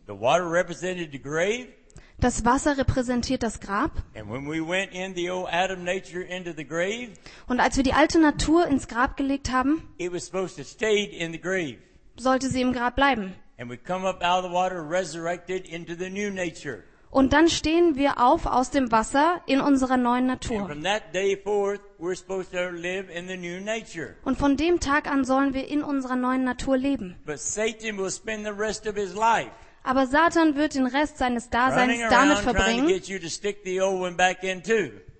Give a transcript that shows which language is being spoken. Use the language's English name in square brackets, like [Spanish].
[English] The water represented the grave. [German] Das Wasser repräsentiert das Grab. [English] And when we went in the old Adam nature into the grave, [German] und als wir die alte Natur ins Grab gelegt haben, [English] it was supposed to stay in the grave. [German] Sollte sie im Grab bleiben. [English] And we come up out of the water resurrected into the new nature. [German] Und dann stehen wir auf aus dem Wasser in unserer neuen Natur. [English] And from that day forth, we're supposed to live in the new nature. [German] Und von dem Tag an sollen wir in unserer neuen Natur leben. [English] But Satan will spend the rest of his life. [German] Aber Satan wird den Rest seines Daseins damit verbringen, [English] trying to get you to stick the old one back in too.